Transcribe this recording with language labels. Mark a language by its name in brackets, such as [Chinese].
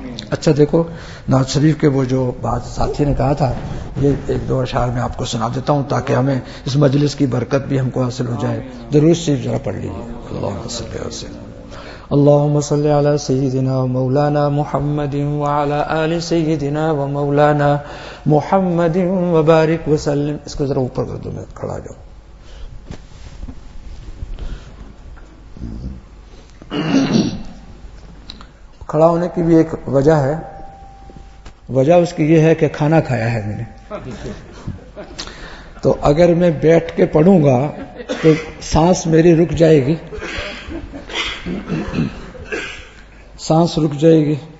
[Urdu] اچھا دیکھو نواز شریف کے وہ جو بات ساتھی نے کہا تھا یہ ایک دو اشعار میں آپ کو سنا دیتا ہوں تاکہ ہمیں اس مجلس کی برکت بھی ہم کو حاصل ہو جائے. درود شریف ذرا پڑھ لیجیے. [Arabic] اللهم صل علی سيدنا اللهم صل علی سيدنا مولانا محمد وعلى آل سيدنا ومولانا محمد وبارك وسلم. [Urdu] اس کو ذرا اوپر کر دو میں کھڑا جاؤں. کھڑا ہونے کی بھی ایک وجہ ہے, وجہ اس کی یہ ہے کہ کھانا کھایا ہے میں نے, تو اگر میں بیٹھ کے پڑھوں گا تو سانس میری رک جائے گی, سانس رک جائے گی.